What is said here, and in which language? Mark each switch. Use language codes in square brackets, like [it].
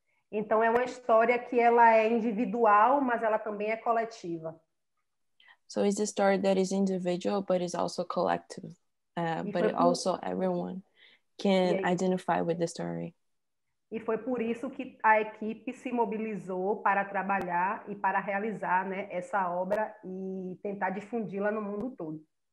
[pt] Então é uma história que ela é individual, mas ela também é coletiva. [en] So it's a story that is individual, but it's also collective. But it also everyone can identify with the story. [pt] E foi por isso que a equipe se mobilizou para trabalhar e para realizar, né, essa obra e tentar difundi-la no mundo todo.